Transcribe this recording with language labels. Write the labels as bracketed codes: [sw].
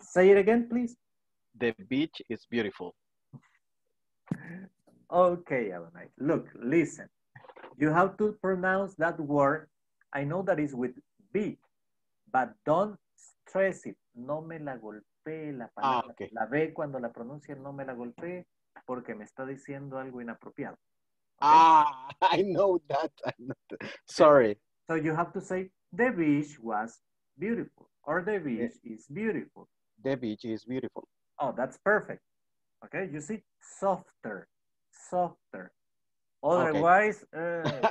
[en] Say it again, please. The beach is beautiful. Okay, Adonai. Look, listen. You have to pronounce that word. I know that it's with B, but don't stress it. [es] No me la golpee la palabra. [en] Ah, okay. [es] La B, cuando la pronuncie, no me la golpee, porque me está diciendo algo inapropiado. [en] Okay? Ah, I know that. Sorry. So you have to say, the beach was beautiful, or the beach is beautiful. The beach is beautiful. Oh, that's perfect. Okay, you see, softer, softer. Otherwise, okay.